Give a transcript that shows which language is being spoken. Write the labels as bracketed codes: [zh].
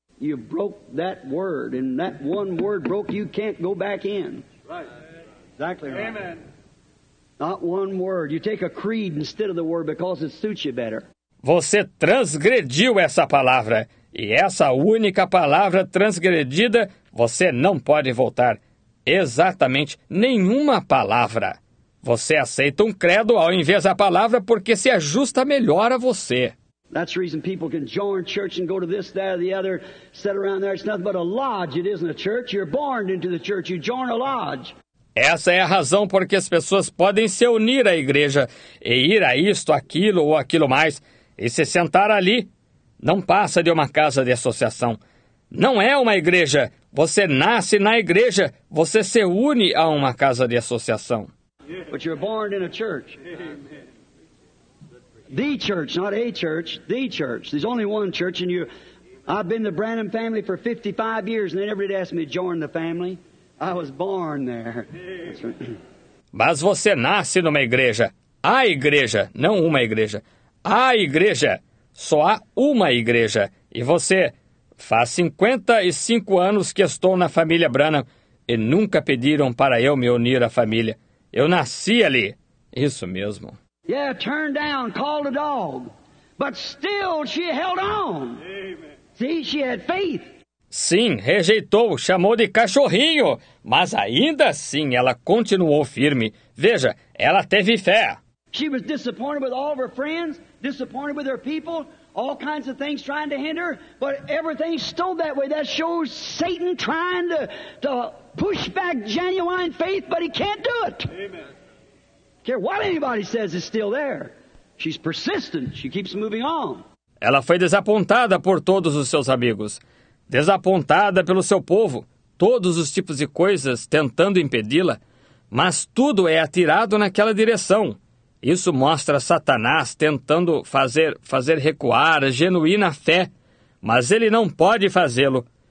[en] You broke that word, and that one word broke, you can't go back in. Right. Exactly right. Amen. Not one word. You take a creed instead of the word because it suits you better. [pt] Você transgrediu essa palavra. E essa única palavra transgredida, você não pode voltar. Exatamente nenhuma palavra. Você aceita um credo ao invés da palavra porque se ajusta melhor a você. [en] That's the reason people can join church and go to this, that, or the other, sit around there. It's nothing but a lodge. It isn't a church. You're born into the church. You join a lodge. [pt] Essa é a razão porque as pessoas podem se unir à igreja e ir a isto, aquilo ou aquilo mais e se sentar ali. Não passa de uma casa de associação. Não é uma igreja. Você nasce na igreja. Você se une a uma casa de associação. [en] But you're born in a church. The church, not a church, the church. There's only one church, and I've been the Branham family for 55 years, and they never asked me to join the family. I was born there. [pt] Mas você nasce numa igreja. A igreja, não uma igreja. A igreja. Só há uma igreja. E você? Faz 55 anos que estou na família Branham, e nunca pediram para eu me unir à família. Eu nasci ali. Isso mesmo. [en] Yeah, turned down, called a dog. But still she held on. Amen. See, she had faith. [pt] Sim, rejeitou, chamou de cachorrinho. Mas ainda assim, ela continuou firme. Veja, ela teve fé. [en] She was disappointed with all of her friends, disappointed with her people, all kinds of things trying to hinder, but everything stood that way. That shows Satan trying to push back genuine faith, but he can't do it. Amen. Care what anybody says is still there. She's persistent. She keeps moving on. [pt] Ela foi desapontada por todos os seus amigos, desapontada pelo seu povo, todos os tipos de coisas tentando impedi-la, mas tudo é atirado naquela direção. Isso mostra Satanás tentando fazer recuar a genuína fé, mas ele não pode fazê-lo.